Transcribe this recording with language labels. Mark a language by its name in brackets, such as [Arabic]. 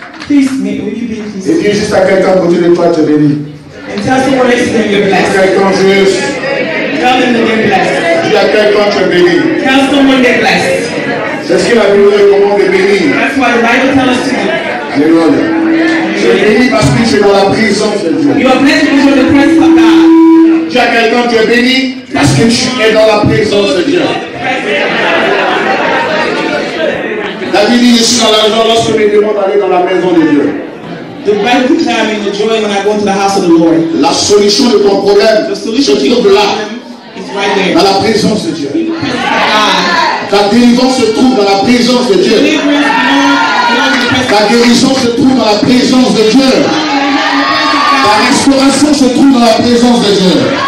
[French] Et dis juste à quelqu'un pour dire toi, te bénis. [English] Et tell someone to be blessed. [French] Quelqu'un juste. [English] Tell them to be blessed. [French] Dis à quelqu'un te bénis. [English] Tell someone get blessed. [French] C'est ce que la Bible recommande de bénir. [English] That's why the Bible tells us to be. Alléluia. [French] Je bénis parce que tu es dans la présence de Dieu. [English] You are blessed because you're in the presence of God. [French] Dis à quelqu'un te bénis parce que tu es dans la présence de Dieu. David dit, je suis dans la joie lorsque mes démons allaient dans la maison de Dieu. [English] The Bible declares me the joy when I go to the house of the Lord. [French] La solution de ton problème, [English] the solution to your problem is right there. [French] Dans la présence de Dieu. [English] God. [French] Ta délivrance se trouve dans la présence de Dieu. Ta guérison se trouve dans la présence de Dieu. Ta restauration se trouve dans la présence de Dieu.